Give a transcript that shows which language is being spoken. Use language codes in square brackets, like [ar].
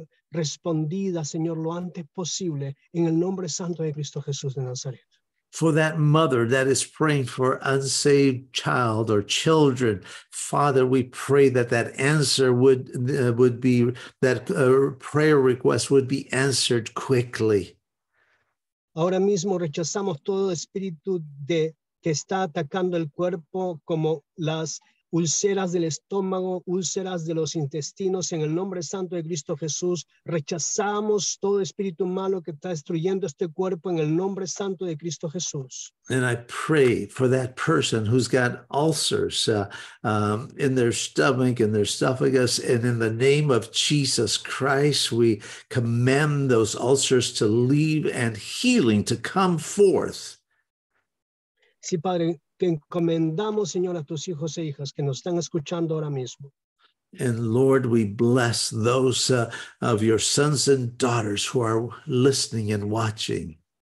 [es] respondida, Señor, lo antes posible, en el nombre santo de Cristo Jesús de Nazaret. [en] For that mother that is praying for unsaved child or children, Father, we pray that that answer would be, that prayer request would be answered quickly. [es] Ahora mismo rechazamos todo espíritu de que está atacando el cuerpo, como las úlceras del estómago, úlceras de los intestinos, en el nombre santo de Cristo Jesús. Rechazamos todo espíritu malo que está destruyendo este cuerpo en el nombre santo de Cristo Jesús. [en] And I pray for that person who's got ulcers in their stomach, in their esophagus, and in the name of Jesus Christ, we command those ulcers to leave and healing to come forth. [es] Sí, Padre. Te encomendamos, Señor, a tus hijos e hijas que nos están escuchando ahora mismo. [en] And Lord, we bless those of your sons and daughters who are listening and watching.